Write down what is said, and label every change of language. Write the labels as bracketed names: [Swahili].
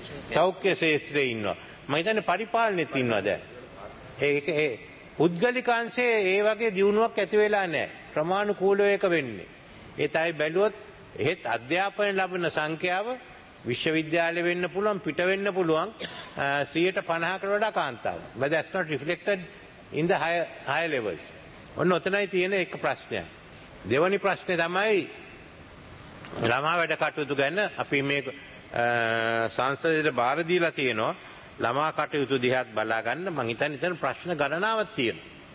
[Sinhala] සෞඛ්‍ය ශේත්‍රයේ ඉන්නවා. මං හිතන්නේ පරිපාලනෙත් ඉන්නවා දැන්. ඒ පුද්ගලිකංශයේ ඒ වගේ දියුණුවක් ඇති වෙලා නැහැ. ප්‍රමාණිකූලව එක වෙන්නේ. ඒත් අය බැලුවොත් එහෙත් අධ්‍යාපන ලැබෙන සංඛ්‍යාව විශ්වවිද්‍යාලෙ වෙන්න පුළුවන් පිට වෙන්න පුළුවන් 150කට වඩා කාන්තාවක්. [English] But that's not reflected in the higher levels. [Sinhala] ඔන්න ඔතනයි තියෙන එක ප්‍රශ්නය. දෙවනි ප්‍රශ්නේ තමයි ළමා වැඩ කටයුතු ගැන අපි මේ සංසදයට බාර දීලා තියෙනවා. ළමා කටයුතු දිහාත් බලා ගන්න මං හිතන්නේ එතන ප්‍රශ්න ගණනාවක් තියෙනවා.